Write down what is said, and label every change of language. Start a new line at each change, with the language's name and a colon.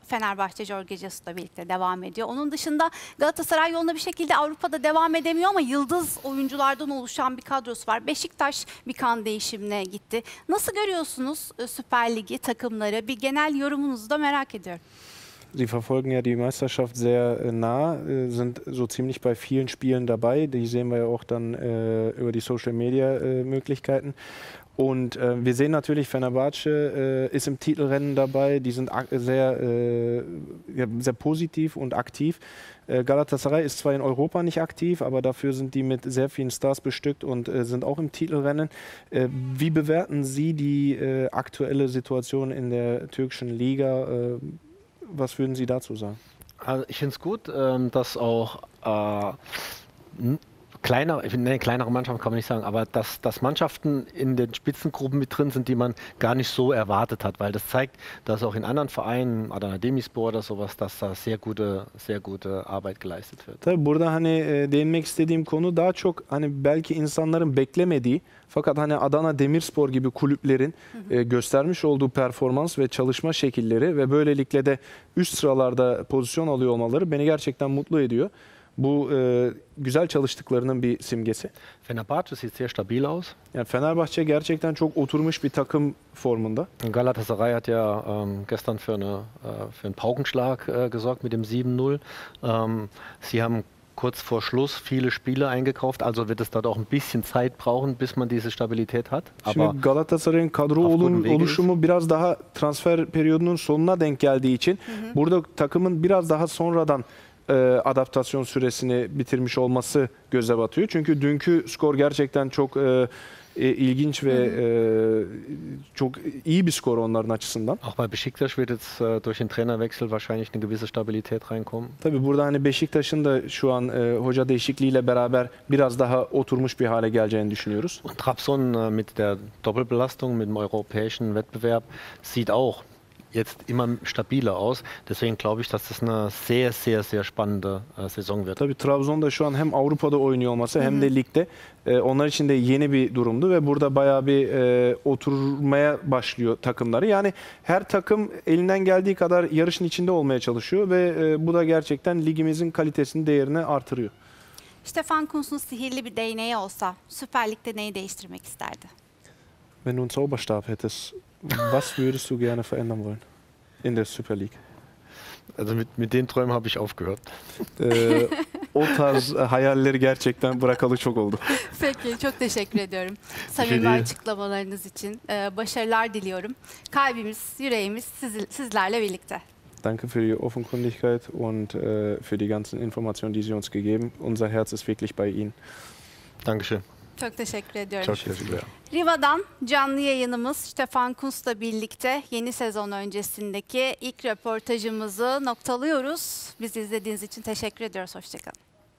Turkish: Fenerbahçe, Jorge Jesus'la birlikte devam ediyor. Onun dışında Galatasaray yolunda bir şekilde Avrupa'da devam edemiyor ama yıldız oyunculardan oluşan bir kadrosu var. Beşiktaş bir kan değişimine gitti. Nasıl görüyorsunuz Süper Lig'i, takımları? Bir genel yorumunuzu da merak ediyorum.
German: Sie verfolgen ja die Meisterschaft sehr nah, sind so ziemlich bei vielen Spielen dabei. Die sehen wir ja auch dann über die Social-Media-Möglichkeiten. Und wir sehen natürlich, Fenerbahce ist im Titelrennen dabei. Die sind sehr positiv und aktiv. Galatasaray ist zwar in Europa nicht aktiv, aber dafür sind die mit sehr vielen Stars bestückt und sind auch im Titelrennen. Wie bewerten Sie die aktuelle Situation in der türkischen Liga? Was würden Sie dazu sagen? Also ich finde es gut, dass auch kleinere Mannschaften kann man nicht sagen, aber dass Mannschaften in den Spitzengruppen mit drin sind, die man gar nicht so erwartet hat, weil das zeigt, dass auch in anderen Vereinen, Adana Demirspor oder sowas, dass da sehr gute Arbeit geleistet wird.
Turkish: Tabii burada hani değinmek istediğim konu daha çok hani belki insanların beklemediği, fakat hani Adana Demirspor gibi kulüplerin göstermiş olduğu performans ve çalışma şekilleri ve böylelikle de üst sıralarda pozisyon alıyor olmaları beni gerçekten mutlu ediyor. Bu güzel çalıştıklarının bir simgesi.
German: Fenerbahçe sieht sehr stabil aus.
Turkish: Yani Fenerbahçe gerçekten çok oturmuş bir takım formunda.
German: Galatasaray hat ja gestern für einen Paukenschlag gesorgt mit dem 7-0. Sie haben kurz vor Schluss viele Spiele eingekauft, also wird es dort auch ein bisschen Zeit brauchen, bis man diese Stabilität hat.
Turkish: Aber şimdi Galatasaray'ın kadro oluşumu biraz daha transfer periyodunun sonuna denk geldiği için burada takımın biraz daha sonradan adaptasyon süresini bitirmiş olması göze batıyor. Çünkü dünkü skor gerçekten çok ilginç ve çok iyi bir skor onların açısından.
German: Auch bei Beşiktaş wird jetzt durch den Trainerwechsel wahrscheinlich eine gewisse Stabilität reinkommen.
Turkish: Tabii burada hani Beşiktaş'ın da şu an hoca değişikliğiyle beraber biraz daha oturmuş bir hale geleceğini düşünüyoruz.
German: Und Trabzon mit der Doppelbelastung mit dem europäischen Wettbewerb sieht auch jetzt immer stabiler aus. Deswegen glaube ich, dass das eine sehr, sehr, sehr spannende Saison wird.
Turkish: Tabii Trabzon da şu an hem Avrupa'da oynuyor olması hem de ligde onlar için de yeni bir durumdu ve burada bayağı bir oturmaya başlıyor takımları. Yani her takım elinden geldiği kadar yarışın içinde olmaya çalışıyor ve bu da gerçekten ligimizin kalitesini, değerini artırıyor. İşte Stefan Kuntz'un sihirli bir değneği olsa Süper Lig'de neyi değiştirmek isterdi?
German: Wenn du einen Zauberstab hättest, was würdest du gerne verändern wollen in der Super League? Also mit den Träumen habe ich aufgehört.
Turkish: O tarz hayalleri gerçekten bırakalı çok oldu. Peki, çok teşekkür ediyorum. Samimi açıklamalarınız için başarılar diliyorum. Kalbimiz, yüreğimiz sizlerle birlikte.
German: Danke für die Offenkundigkeit und für die ganzen Informationen, die Sie uns gegeben. Unser Herz ist wirklich bei Ihnen. Dankeschön.
Turkish: Çok teşekkür ediyorum. Çok teşekkürler. Riva'dan canlı yayınımız Stefan Kuntz'la birlikte yeni sezon öncesindeki ilk röportajımızı noktalıyoruz. Bizi izlediğiniz için teşekkür ediyoruz. Hoşçakalın.